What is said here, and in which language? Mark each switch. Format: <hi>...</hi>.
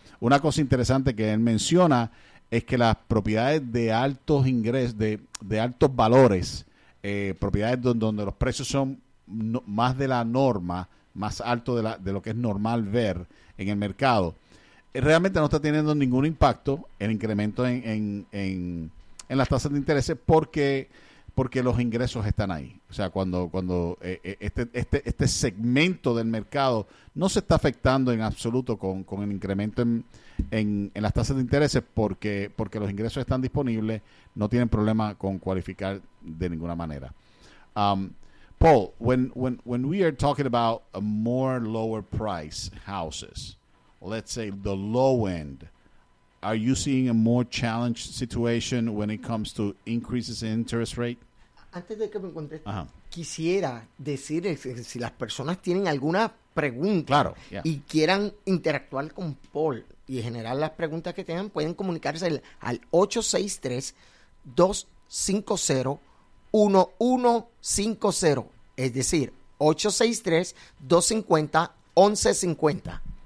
<es>Una cosa interesante que él menciona es que las propiedades de altos ingresos, de altos valores, propiedades donde los precios son más de la norma, más alto de lo que es normal ver en el mercado, realmente no está teniendo ningún impacto el incremento en las tasas de interés porque los ingresos están ahí. O sea, cuando este segmento del mercado no se está afectando en absoluto con el incremento en las tasas de intereses porque los ingresos están disponibles, no tienen problema con cualificar de ninguna manera.</es> <en>Paul, when we are talking about a more lower price houses, let's say the low end, are you seeing a more challenged situation when it comes to increases in interest rate?</en> <es>Antes de que me conteste, quisiera decir si las personas tienen alguna pregunta y quieran interactuar con Paul y generar las preguntas que tengan, pueden comunicarse al 863-250-1150, es decir, 863-250-1150.</es>